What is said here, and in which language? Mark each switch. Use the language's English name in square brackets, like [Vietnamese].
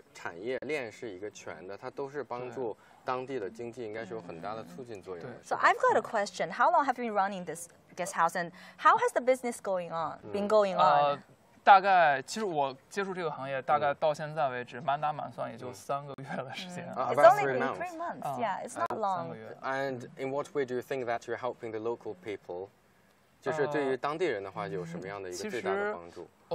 [Chinese] 它相当于整个的这个是产业链是一个全的，它都是帮助 [English] So I've got a question. How long have you been running this guest house, and how has the business going on? Been going on? [Chinese] 大概其实我接触这个行业大概到现在为止满打满算也就三个月的时间。 [English] It's only been 3 months. Yeah, it's not long. And in what way do you think that you're helping the local people? [Chinese] 就是对于当地人的话，有什么样的一个最大的帮助？